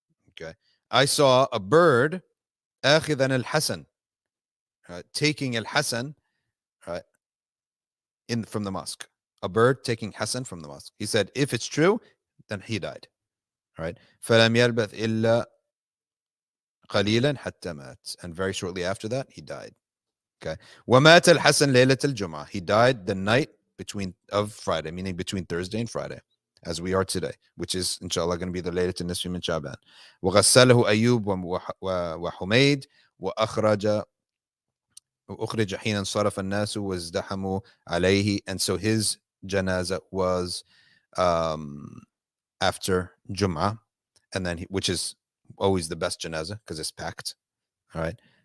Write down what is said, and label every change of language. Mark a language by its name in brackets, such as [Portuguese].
[English] Okay. I saw a bird [Arabic] آخذا الحسن, [English] right, taking الحسن, right, from the mosque. A bird taking Hassan from the mosque. He said, if it's true, then he died. Right? [Arabic] فلم يلبث إلا قليلا حتى مات. [English] And very shortly after that, he died. [Arabic] Okay. ومات الحسن ليلة الجمعة. [English] He died the night of Friday, meaning between Thursday and Friday, as we are today, which is, inshallah, going to be the [Arabic] ليلة النصف من شعبان. وغسله أيوب وحميد وأخرج وأخرج حين صرف الناس وازدحموا عليه. [English] And so his janazah was after Jum'ah, and then which is always the best janazah because it's packed. All right.